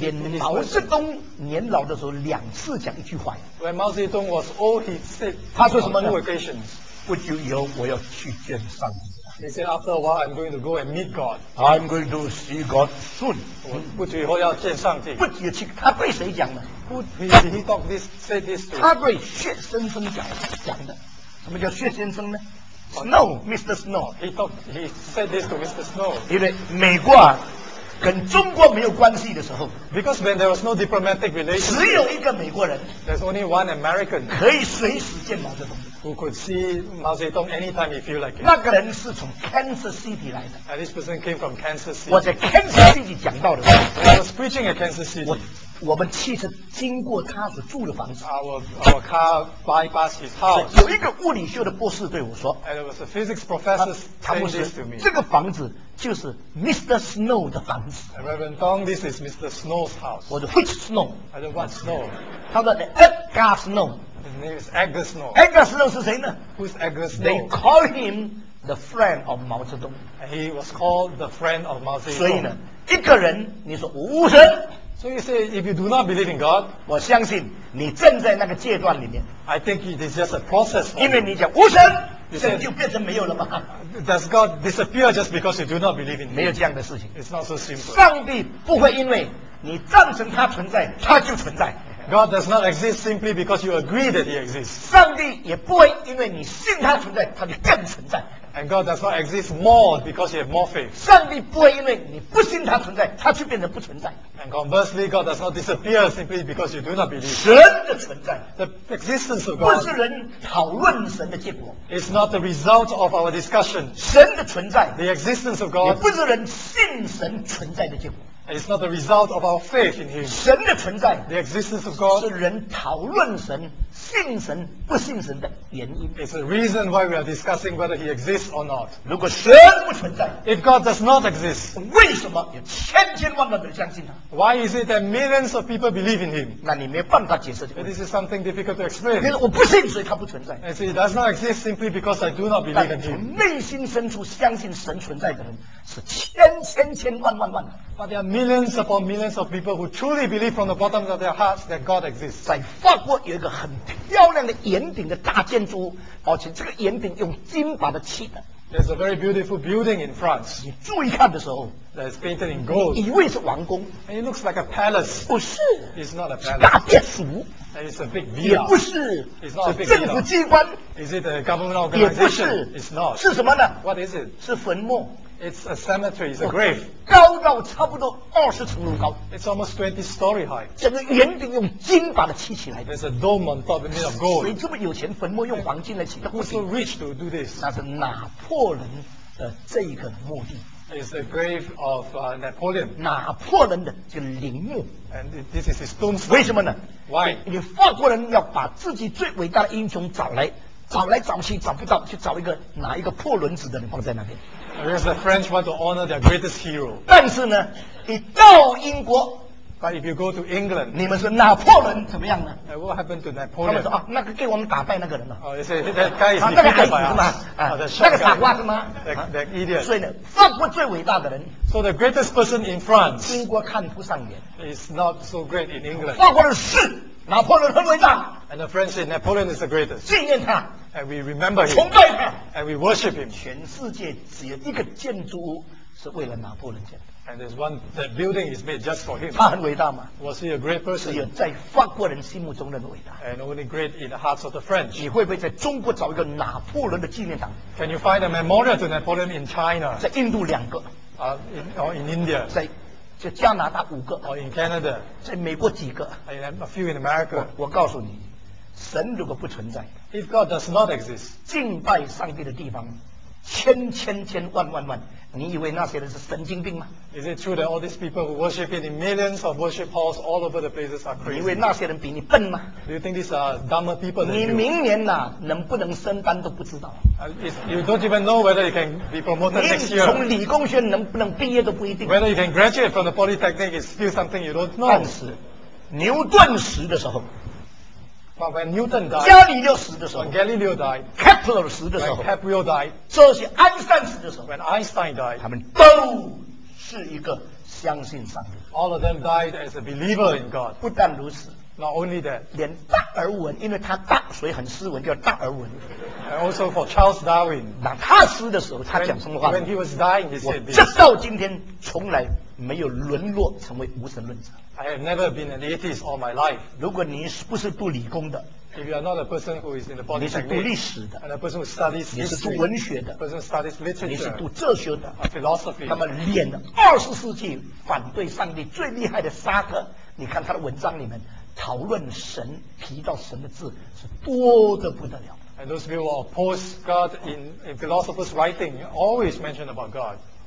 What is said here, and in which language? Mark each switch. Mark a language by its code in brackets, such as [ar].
[zh] 连毛泽东年老的时候两次讲一句话。 [en] When Mao Zedong was old, he said, [zh] 他说什么呢？不久以后我要去见上帝。 [en] He said, after a while, I'm going to go and meet God. I'm going to see God soon. [zh] 不久以后要见上帝。不久以后，他被谁讲的？ [en] He talked this, said this to. [zh] 他被薛先生讲的。什么叫薛先生呢？ [en] Snow, Mr. Snow. He said this to Mr. Snow. [zh] 因为美国啊。跟中国没有关系的时候 [en] ，because when there was no diplomatic relations， [zh] 只有一个美国人 [en] ，there's only one American， [zh] 可以随时见毛泽东 [en] ，who could see 毛泽东 anytime he feel like it。 [zh] 那个人是从 Kansas City 来的 [en] ，and this person came from Kansas City。 [zh] 我在 Kansas City 讲到的时候 [en] ，I was preaching at Kansas City。 [zh] 我们汽车经过他所住的房子 [en] ，our car bypassed his house。 [zh] 有一个物理学的博士对我说 [en] ，and it was a physics professor saying this to me。 [zh] 这个房子就是 Mr. Snow 的房子。 [en] Reverend Dong, this is Mr. Snow's house。 [zh] 我说 [en] Which Snow？ I said What Snow？ [zh] 他说 Edgar Snow。 [en] His name is Edgar Snow。 [zh] Edgar Snow 是谁呢 [en] ？Who's Edgar Snow？ They call him the friend of Mao Zedong。 He was called the friend of Mao Zedong。 [zh] 所以呢，一个人你说无神。 [en] So you say if you do not believe in God， [zh] 我相信你正在那个阶段里面。 [en] I think it is just a process。 [zh] 因为你讲无神，神就变成没有了吗 [en] ？Does God disappear just because you do not believe in？ [zh] 没有这样的事情。 [en] It's not so simple。 [zh] 上帝不会因为你赞成他存在，他就存在。 [en] God does not exist simply because you agree that he exists。 [zh] 上帝也不会因为你信他存在，他就更存在。 [en] And God does not exist more because you have more faith. [zh] 上帝不会因为你不信他存在，他就变成不存在。 [en] And conversely, God does not disappear simply because you do not believe. [zh] 神的存在 [en] ，the existence of God， [zh] 不是人讨论神的结果。 [en] It's not the result of our discussion. [zh] 神的存在 [en] ，the existence of God， [zh] 也不是人信神存在的结果。 [en] It's not the result of our faith in Him. [zh] 神的存在 [en] ，the existence of God， [zh] 是人讨论神、信神、不信神的原因。 [en] It's the reason why we are discussing whether He exists or not. [zh] 如果神不存在 [en] ，if God does not exist， [zh] 为什么有千千万万的人相信他 [en] ？Why is it that millions of people believe in Him？ [zh] 那你没办法解释这个。 [en] This is something difficult to explain. [zh] 我不信，所以他不存在。 [en] And so it does not exist simply because I do not believe in Him. [zh] 内心深处相信神存在的人是千千千万万万的。 [en] But there are millions upon millions of people who truly believe from the bottom of their hearts that God exists. [zh] 在法国有一个很漂亮的圆顶的大建筑，而且这个圆顶用金把它砌的。 [en] There's a very beautiful building in France. [zh] 你注意看的时候 [en] ，that is painted in gold. [zh] 以为是王宫。 [en] And it looks like a palace. [zh] 不是。 [en] It's not a palace. [zh] 大别墅。 [en] And it's a big villa. [zh] 也不是。 [en] It's not a big villa. [zh] 政府机关。 [en] Is it a government organization? [zh] 也不是。 [en] It's not. [zh] 是什么呢 [en] ？What is it? [zh] 是坟墓。 [en] It's a cemetery. It's a grave. [zh] 高到差不多20层楼高。 [en] It's almost 20 story high. [zh] 整个圆顶用金把它砌起来。 [en] There's a dome on top made of gold. [zh] 谁这么有钱，坟墓用黄金来砌的？ [en] Who's so rich to do this? [zh] 那是拿破仑的这个墓地。 [en] It's the grave of Napoleon. [zh] 拿破仑的这个陵墓。 [en] And this is his tombstone. [zh] 为什么呢 [en] ？Why? [zh] 你法国人要把自己最伟大的英雄找来，找来找去找不到，去找一个拿一个破轮子的人放在那边。 [en] Because the French want to honor their greatest hero. [zh] 但是呢，你到英国 [en] ，But if you go to England， [zh] 你们说拿破仑怎么样呢 [en] ？What happened to Napoleon？ [zh] 他们说啊，那个给我们打败那个人了。 [en] They say that guy is defeated by us. [zh] 那个傻瓜是吗？那个傻瓜是吗 [en] ？That idiot. [zh] 所以呢，法国最伟大的人 [en] ，So the greatest person in France， [zh] 英国看不上眼 [en] ，is not so great in England. [zh] 法国人是拿破仑很伟大 [en] ，And the French say Napoleon is the greatest. [zh] 纪念他。 [en] And we remember him. [zh] 崇拜他。 [en] And we worship him. [zh] 全世界只有一个建筑物是为了拿破仑建的。 [en] And there's one that building is made just for him. [zh] 他很伟大吗 [en] ？Was he a great person? [zh] 只有在法国人心目中那么伟大。 [en] And only great in the hearts of the French. [zh] 你会不会在中国找一个拿破仑的纪念堂 [en] ？Can you find a memorial to Napoleon in China? [zh] 在印度两个。 [en] In India. [zh] 在加拿大五个。 [en] In Canada. [zh] 在美国几个 [en] ？A few in America. [zh] 我告诉你。神如果不存在 [en] ，If God does not exist， [zh] 敬拜上帝的地方，千千千万万万，你以为那些人是神经病吗 [en] ？Is it true that all these people who worship in millions of worship halls all over the places are crazy？ [zh] 你以为那些人比你笨吗 [en] ？Do you think these are dumber people than you？ [zh] 你明年呐、啊、能不能升班都不知道。 [en] You don't even know whether you can be promoted next year。 [zh] 你从理工学能不能毕业都不一定。 [en] Whether you can graduate from the polytechnic is still something you don't know。 [zh] 但是，牛顿时的时候。 [en] But when Newton died, [zh] 伽利略死的时候 [en] ，When Galileo died, [zh] Kepler 死的时候 [en] ，When Kepler died, [zh] 这些爱因斯坦死的时候 [en] ，When Einstein died, [zh] 他们都是一个相信上帝。 [en] All of them died as a believer in God. [zh] 不但如此 [en] ，Not only that, [zh] 连达尔文，因为他大，所以很斯文，叫达尔文。 [en] And also for Charles Darwin, [zh] 那他死的时候，他讲什么话 [en] ？When he was dying, he said this. [zh] 我直到今天从来没有沦落成为无神论者。 [en] I have never been an atheist all my life. [zh] 如果你不是读理工的 [en] If you are not a person who is in the body, [zh] 你是读历史的 [en] ，and a person who studies history, [zh] 你是读文学的 [en] ，a person who studies literature, [zh] 你是读哲学的 [en] ，a philosophy。 [zh] 那么，脸二十世纪反对上帝最厉害的沙特，你看他的文章里面讨论神，提到神的字是多得不得了。 [en] And those people who oppose God in philosophers' writing always mention about God.